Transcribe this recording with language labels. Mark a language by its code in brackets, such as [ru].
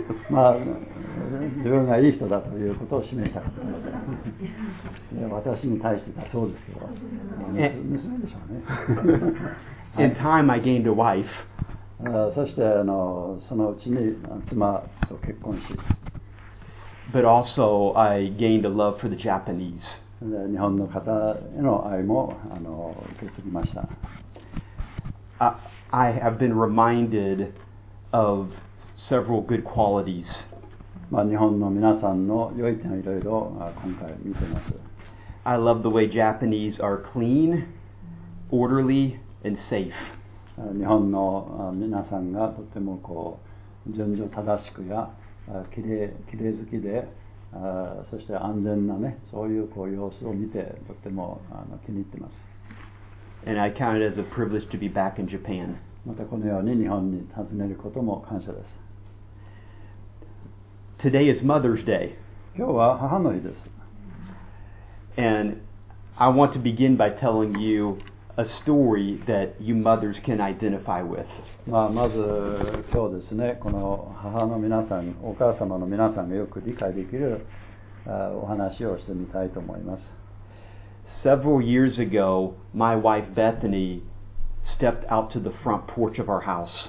[ja] まあ、自分がいい人だということを示したかったので。私に対してだそうですけど。娘でしょうね。 [en] In time, I gained a wife. [ja] そしてそのうちに妻と結婚し。 [en] But also, I gained a love for the Japanese. [ja] 日本の方への愛も受け継ぎました。 [en] I have been reminded of several good qualities. [ja] 日本の皆さんの良い点をいろいろ今回見てます。 [en] I love the way Japanese are clean, orderly, and safe. [ja] 日本の皆さんがとてもこう順序正しくや綺麗好きで、そして安全なね、そういうこう様子を見てとっても気に入ってます。 [en] And I count it as a privilege to be back in Japan. [ja] またこのように日本に訪ねることも感謝です。 [en] Today is Mother's Day. [ja] 今日は母の日です。 [en] And I want to begin by telling you a story that you mothers can identify with. [ja] まず今日ですね、この母の皆さん、お母様の皆さんがよく理解できるお話をしてみたいと思います。 [en] Several years ago, my wife Bethany stepped out to the front porch of our house.